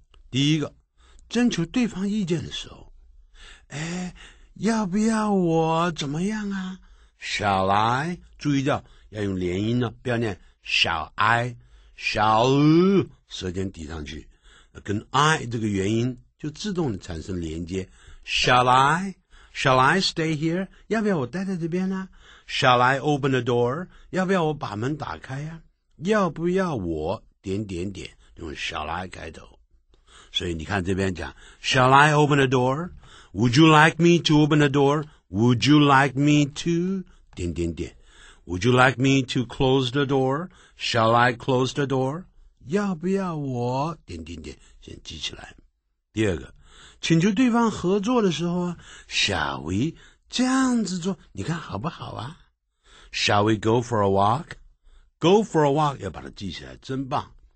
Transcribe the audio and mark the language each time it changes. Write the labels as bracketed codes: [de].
[zh] 第一个，征求对方意见的时候，哎，要不要我怎么样啊， [en] shall I， [zh] 注意到要用连音呢，不要念 shall I， shall， 舌尖抵上去，跟 I 这个元音就自动产生连接。 [en] Shall I? Shall I stay here? [zh] 要不要我待在这边呢？ [en] Shall I open the door? [zh] 要不要我把门打开呀？要不要我点点点，用 [en] Shall I [zh] 开头。所以你看这边讲 [en] Shall I open the door? Would you like me to open the door? Would you like me to [zh] 点点点。 [en] Would you like me to close the door? Shall I close the door? [zh] 要不要我点点点，先记起来。第二个，请求对方合作的时候啊， [en] Shall we [zh] 这样子做，你看好不好啊？ [en] Shall we go for a walk? Go for a walk [zh] 要把它记起来，真棒。